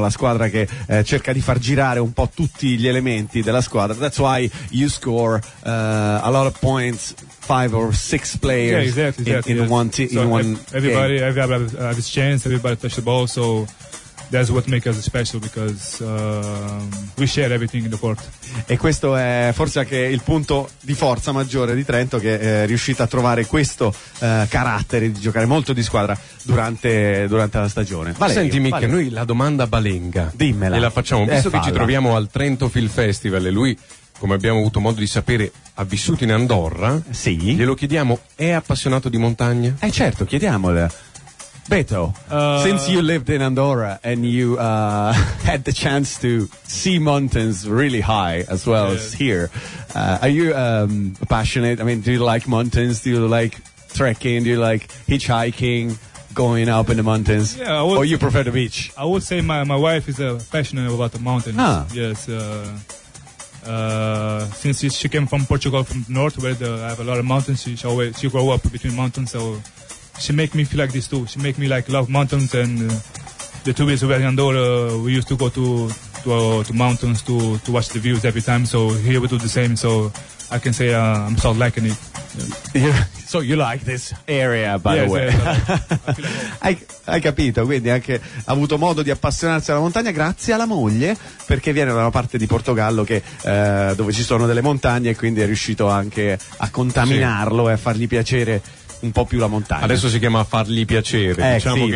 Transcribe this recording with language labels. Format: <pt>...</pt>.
<it>La squadra che cerca di far girare un po' tutti gli elementi della squadra.</it> <en>That's why you score a lot of points, 5 or 6 players, yeah, exactly, in, yes. Everybody has a chance, everybody touch the ball, so that's what makes us special, because we share everything in the court.</en> <it>E questo è forse anche il punto di forza maggiore di Trento, che è riuscito a trovare questo carattere di giocare molto di squadra durante la stagione. Valerio, senti Mick, noi la domanda balenga, dimmela, e la facciamo, visto che ci troviamo al Trento Film Festival e lui, come abbiamo avuto modo di sapere, ha vissuto in Andorra. Sì. Glielo chiediamo, è appassionato di montagna? Eh certo, chiediamolo.</it> <en>Beto, since you lived in Andorra and you had the chance to see mountains really high as well as here, are you passionate? I mean, do you like mountains? Do you like trekking? Do you like hitchhiking, going up in the mountains? Yeah, or you prefer the beach? I would say my wife is passionate about the mountains. Ah. Yes. Since she came from Portugal, from the north, where I have a lot of mountains, she grew up between mountains, so she make me feel like this too. She make me like love mountains, and the 2 weeks we were in Andorra, we used to go to mountains to watch the views every time. So here we do the same. So I can say I'm sort of liking it. Yeah. So you like this area, by the way.</en> <it>Hai capito, quindi anche ha avuto modo di appassionarsi alla montagna grazie alla moglie, perché viene da una parte di Portogallo che dove ci sono delle montagne, e quindi è riuscito anche a contaminarlo, sì, e a fargli piacere un po' più la montagna. Adesso si chiama fargli piacere, diciamo, sì, che</it>